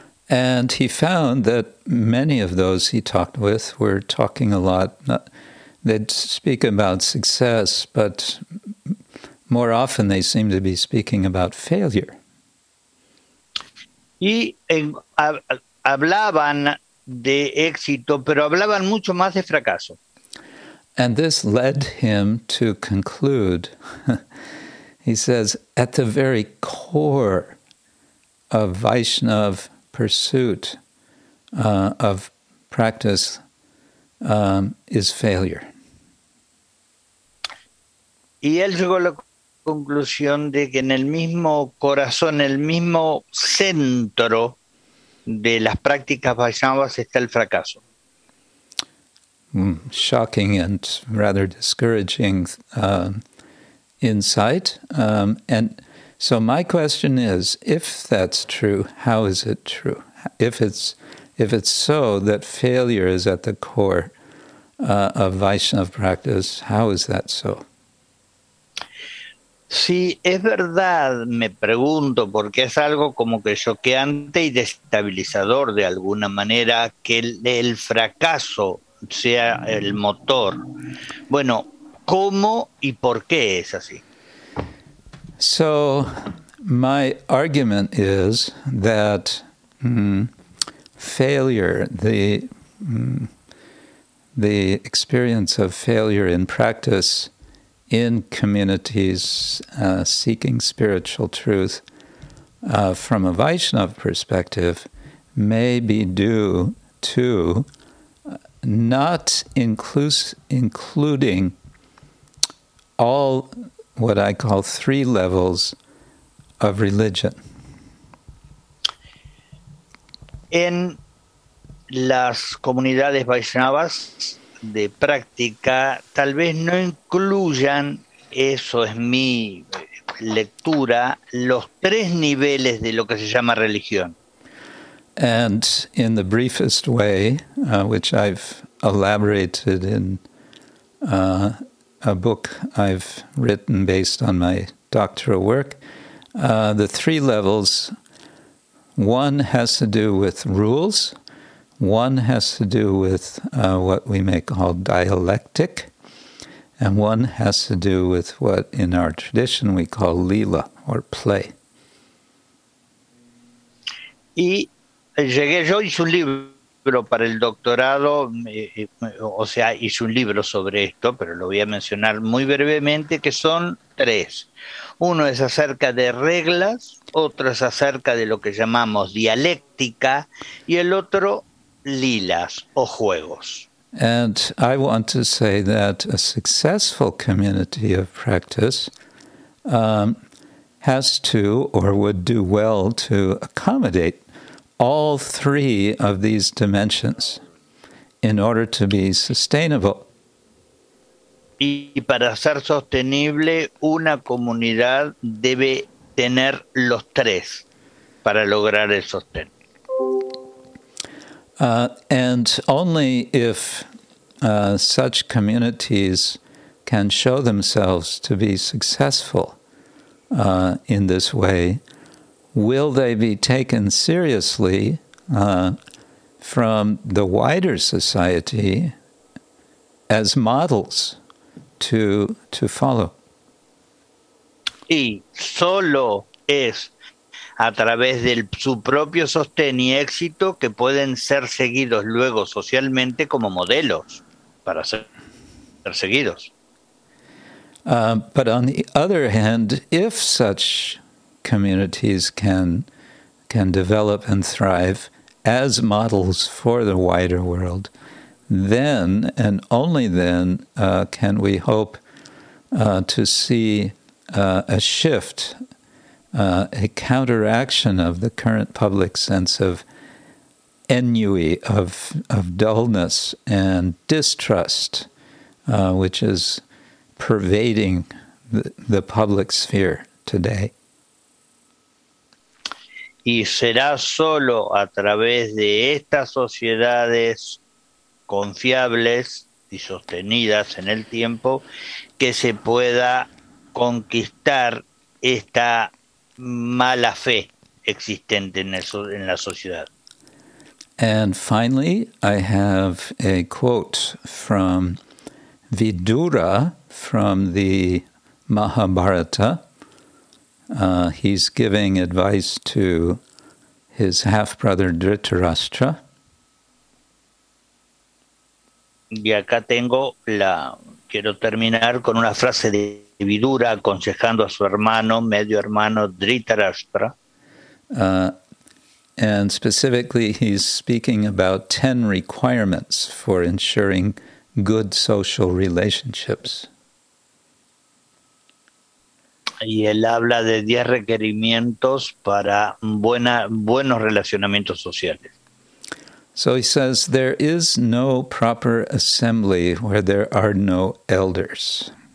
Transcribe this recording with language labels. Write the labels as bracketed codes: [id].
[en] And he found that many of those he talked with were talking a lot. They'd speak about success, but more often they seem to be speaking about failure. [es] Y hablaban de éxito, pero hablaban mucho más de fracaso. [en] And this led him to conclude, he says, at the very core of Vaishnav pursuit of practice is failure. [es] Y él llegó a la conclusión de que en el mismo corazón, el mismo centro de las prácticas vaishnavas está el fracaso. [en] Shocking and rather discouraging insight. And so my question is, if that's true, how is it true? If it's so that failure is at the core of Vaishnav practice, how is that so? [es] Sí, es verdad, me pregunto, porque es algo como que choqueante y destabilizador de alguna manera que el fracaso sea el motor. Bueno, ¿cómo y por qué es así? [en] So, my argument is that failure, the experience of failure in practice in communities seeking spiritual truth from a Vaishnava perspective may be due to not including all what I call three levels of religion. [es] En las comunidades Vaishnavas de práctica, tal vez no incluyan, eso es mi lectura, los tres niveles de lo que se llama religión. [en] And in the briefest way, which I've elaborated in a book I've written based on my doctoral work, the three levels, one has to do with rules. One has to do with what we may call dialectic, and one has to do with what in our tradition we call lila, or play. [es] Y llegué yo, hice un libro para el doctorado, o sea, hice un libro sobre esto, pero lo voy a mencionar muy brevemente, que son tres. Uno es acerca de reglas, otro es acerca de lo que llamamos dialéctica, y el otro lilas o juegos. [en] And I want to say that a successful community of practice has to or would do well to accommodate all three of these dimensions in order to be sustainable. [es] Y para ser sostenible, una comunidad debe tener los tres para lograr el sostén. [en] And only if such communities can show themselves to be successful in this way will they be taken seriously from the wider society as models to follow. [es] Y solo es a través de su propio sostén y éxito que pueden ser seguidos luego socialmente como modelos para ser seguidos. [en] But on the other hand, if such communities can develop and thrive as models for the wider world, then and only then can we hope to see a shift, a counteraction of the current public sense of ennui, of dullness and distrust, which is pervading the public sphere today. [es] Y será solo a través de estas sociedades confiables y sostenidas en el tiempo que se pueda conquistar esta mala fe existente en la sociedad. [en] And finally, I have a quote from Vidura from the Mahabharata. He's giving advice to his half-brother Dhritarashtra. [es] Y acá tengo la... Quiero terminar con una frase de Vidura aconsejando a su hermano, medio hermano, Dhritarashtra. [en] And specifically, he's speaking about 10 requirements for ensuring good social relationships. [es] Y él habla de 10 requerimientos para buenos relacionamientos sociales. [en] So he says, there is no proper assembly where there are no elders.